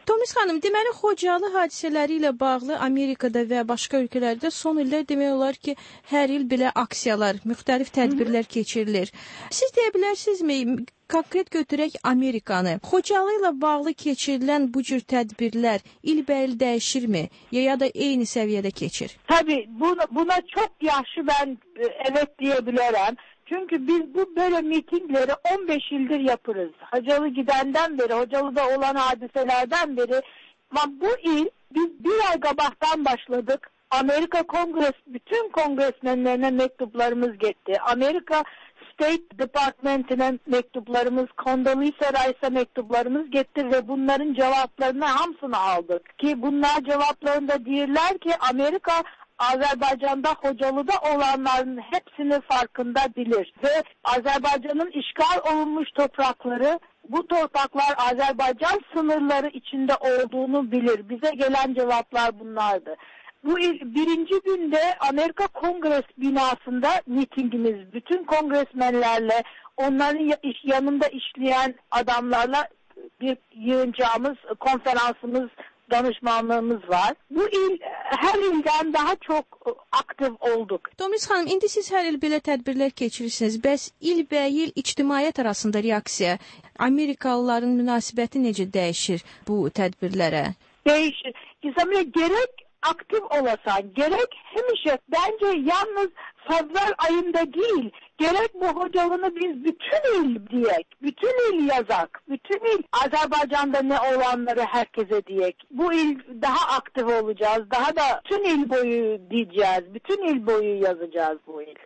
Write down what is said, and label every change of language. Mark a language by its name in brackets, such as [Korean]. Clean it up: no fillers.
[Azerbaijani] Tomris xanım, deməli Xocalı hadisələri ilə bağlı Amerikada və başqa ölkələrdə son illər demək olar ki, hər il belə aksiyalar, müxtəlif tədbirlər keçirilir. Siz deyə bilərsinizmi, konkret götürək Amerikanı, Xocalı ilə bağlı keçirilən bu cür tədbirlər ilbəil dəyişirmi ya da eyni səviyyədə keçir? Təbii, buna çox yaxşı mən evet deyə bilərəm. [Turkish] Çünki biz bu böyle mitingleri 15 ildir yapırız. [Azerbaijani] Xocalı gidəndən beri, Xocalıda olan hadisələrdən beri. Bu il biz bir ay qabaqdan başladık. Amerika Kongres, bütün kongresmenlərinə mektuplarımız getdi. [Turkish] Amerika State Department'ine mektuplarımız, Condoleezza Rice'a mektuplarımız getirdi ve bunların cevaplarını hamsını aldık. Ki bunlar cevaplarında diyorlar ki Amerika Azerbaycan'da Xocalı'da olanların hepsini farkında bilir. Ve Azerbaycan'ın işgal olunmuş toprakları, bu topraklar Azerbaycan sınırları içinde olduğunu bilir. Bize gelen cevaplar bunlardı. Bu birinci günde Amerika Kongres binasında mitingimiz, bütün kongresmenlerle, onların yanında işleyen adamlarla bir yığıncağımız, konferansımız, danışmanlığımız var. Bu il her ilden daha çok aktif olduk. [Azerbaijani] Tomris Hanım, indi siz her il belə tədbirlər keçirirsiniz. Bəs il və il ictimaiyyət arasında reaksiya, Amerikalıların münasibəti necə dəyişir bu tədbirlərə? Dəyişir. [Turkish] İnsanlə gerek aktif olasan, gerek həmişə, bence yalnız Fevral ayında değil, gerek bu Xocalını biz bütün il diyek, bütün il yazak, bütün il Azerbaycan'da ne olanları herkese diyek. Bu il daha aktif olacağız, daha da bütün il boyu diyeceğiz, bütün il boyu yazacağız bu il.